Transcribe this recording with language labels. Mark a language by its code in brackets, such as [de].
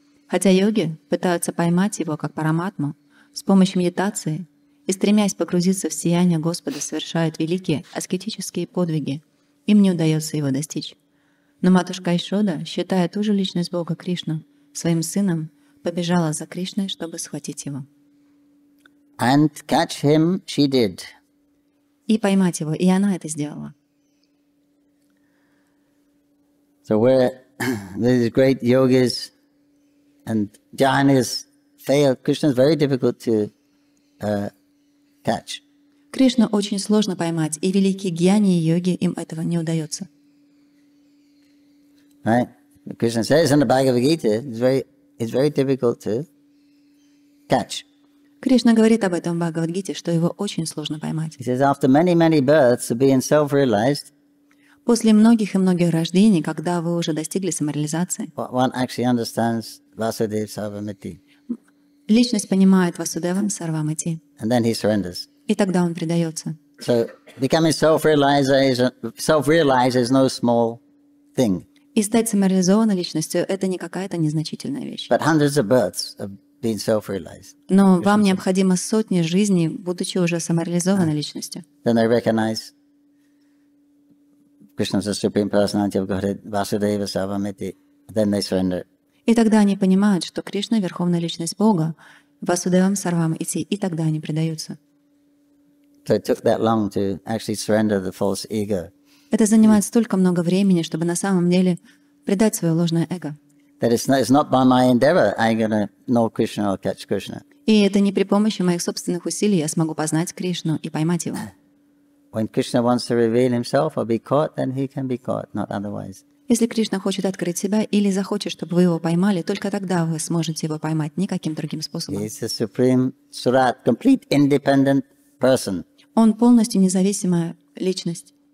[ru] Хотя йоги пытаются поймать его, как параматму, с помощью медитации и, стремясь погрузиться в сияние Господа, совершают великие аскетические подвиги, им не удается его достичь. Но матушка Ишода, считая ту же личность Бога Кришну своим сыном, побежала за Кришной, чтобы схватить его. [en] And catch him, she did. [ru] И поймать его, и она это сделала. [en] So where these great yogis and jnanis fail, Krishna is very difficult to catch. [ru] Кришну очень сложно поймать, и великие гьяни и йоги им этого не удается. [en] Right? Krishna says in the Bhagavad Gita, it's very difficult to catch. [ru] Кришна говорит об этом в Бхагавад-гите, что его очень сложно поймать. [en] He says, after many births of being self-realized, [ru] после многих и многих рождений, когда вы уже достигли самореализации, [en] one actually understands Vasudeva Sarvamiti. [ru] Личность понимает Васудева Сарвамити. [en] And then he surrenders. [ru] И тогда он предается. [en] So becoming self-realized is no small thing. [ru] И стать самореализованной личностью – это не какая-то незначительная вещь. [en] But hundreds of births of being self-realized. [ru] Но вам необходимо сотни жизней, будучи уже самореализованной личностью. [en] Then I recognize Krishna as the supreme personality of Godhead, Vasudeva Sarvamiti. Then they surrender. [ru] И тогда они понимают, что Кришна – верховная личность Бога, Васудевам Сарвамити, и тогда они предаются. [en] So it took that long to actually surrender the false ego. [ru] Это занимает столько много времени, чтобы на самом деле предать свое ложное эго. [en] That it's not by my endeavor I'm gonna know Krishna or catch Krishna. [ru] И это не при помощи моих собственных усилий я смогу познать Кришну и поймать его. [en] When Krishna wants to reveal himself or be caught, then he can be caught, not otherwise. [ru] Если Кришна хочет открыть себя или захочет, чтобы вы его поймали, только тогда вы сможете его поймать никаким другим способом. [en] He's a supreme surat, complete independent person. [ru] Он полностью независимая личность.